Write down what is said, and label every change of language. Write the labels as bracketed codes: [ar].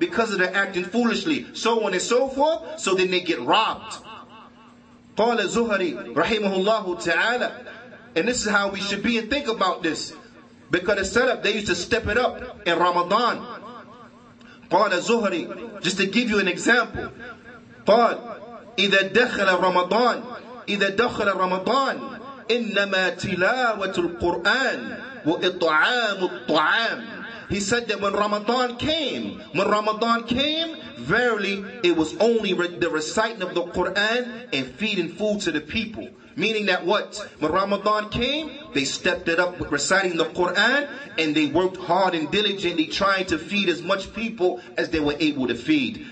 [en] Because of their acting foolishly. So on and so forth. So then they get robbed. [ar] قال زهري رحمه الله تعالى. [en] And this is how we should be and think about this. Because the setup, they used to step it up in Ramadan. [ar] قال زهري, [en] just to give you an example. [ar] قال إذا دخل رمضان إذا دخل رمضان إنما تلاوة القرآن وإطعام الطعام. [en] He said that when Ramadan came, verily it was only the reciting of the Quran and feeding food to the people. Meaning that what? When Ramadan came, they stepped it up with reciting the Quran and they worked hard and diligently trying to feed as much people as they were able to feed.